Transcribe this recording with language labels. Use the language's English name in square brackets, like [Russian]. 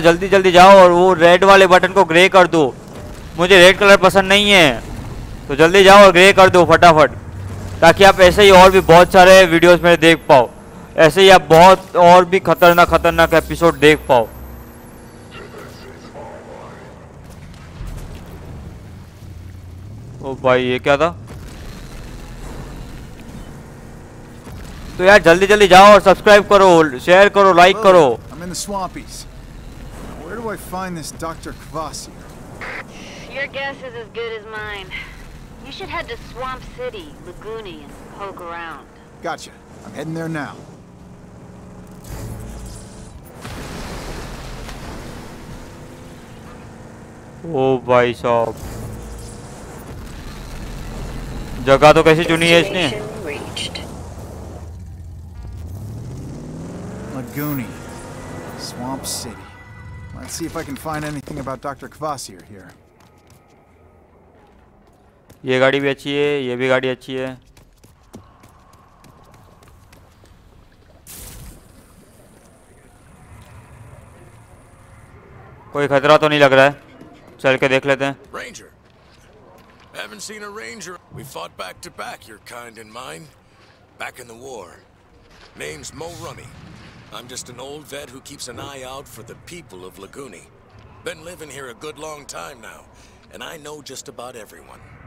[Hindi] जल्दी जल्दी जाओ और वो रेड वाले बटन को ग्रे कर दो। मुझे रेड कलर पसंद नहीं है, तो जल्दी जाओ और ग्रे कर दो फटाफट, ताकि आप ऐसे ही और भी बहुत सारे वीडियोस में देख पाओ, ऐसे ही आप बहुत और भी खतरनाक एपिसोड देख पाओ। ओ भाई, ये क्या था? तो यार जल्दी जल्दी जाओ और सब्सक्राइब करो, शेयर करो, लाइक करो। [English] In the swampies. Now, where do I find this Dr. Kvasir? Your guess is as good as mine. You should head to Swamp City, Laguni, and poke around. Gotcha. I'm heading there now. [Hindi] Oh, bhai saab. Jagah to kaise chuni hai isne? [English] Laguni. Swamp City. Let's see if I can find anything about Dr. Kvasir here. [Hindi] ये गाड़ी भी अच्छी है, ये भी गाड़ी अच्छी है। कोई खतरा तो नहीं लग रहा है, चल के देख लेते हैं। [English] Ranger. Haven't seen a ranger. We fought back to back, your kind and mine, back in the war. Name's Mo Rummy. I'm just an old vet who keeps an eye out for the people of Laguni. Been living here a good long time now, and I know just about everyone.